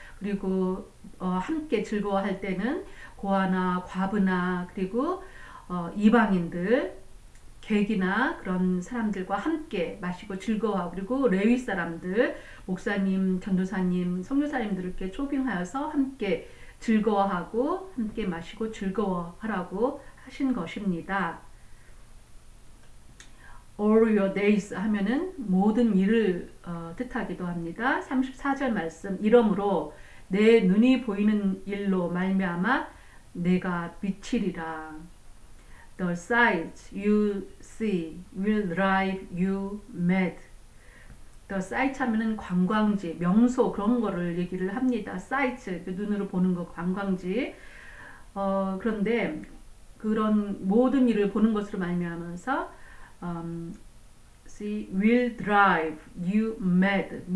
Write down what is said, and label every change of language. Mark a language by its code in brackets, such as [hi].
[ko] 그리고 함께 즐거워할 때는 고아나 과부나 그리고 이방인들 객이나 그런 사람들과 함께 마시고 즐거워하고 그리고 레위 사람들 목사님, 전도사님, 선교사님들께 초빙하여서 함께 즐거워하고 함께 마시고 즐거워하라고 하신 것입니다. [en] All your days [ko] 하면은 모든 일을 뜻하기도 합니다. 34절 말씀 이러므로 내 눈이 보이는 일로 말미암아 내가 미치리라. [en] The sight you see will drive you mad. [ko] The sight 하면은 관광지, 명소 그런 거를 얘기를 합니다. Sight, 그 눈으로 보는 거 관광지. 그런데 그런 모든 일을 보는 것으로 말미암아서 [en] see will drive you mad.